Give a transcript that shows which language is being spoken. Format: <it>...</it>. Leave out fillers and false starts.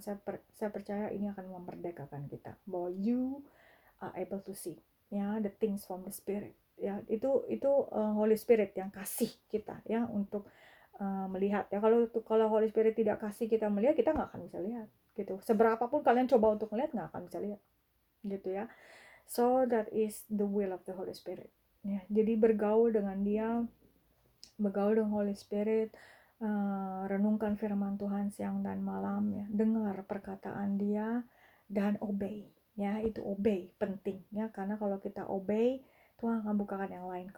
<id>Saya percaya ini akan memerdekakan kita bahwa</id> <en>you are able to see ya the things from the spirit ya.</en> <id>Itu Holy Spirit yang kasih kita ya untuk melihat ya. Kalau Holy Spirit tidak kasih kita melihat, kita enggak akan bisa lihat gitu. Seberapa pun kalian coba untuk melihat, enggak akan bisa lihat. Gitu ya.</id> <en>So that is the will of the Holy Spirit.</en> <id>Ya, jadi bergaul dengan Dia, bergaul dengan Holy Spirit, renungkan firman Tuhan siang dan malam ya, dengar perkataan Dia dan obey ya, itu obey penting ya, karena kalau kita obey Tuhan akan bukakan yang lain.</id>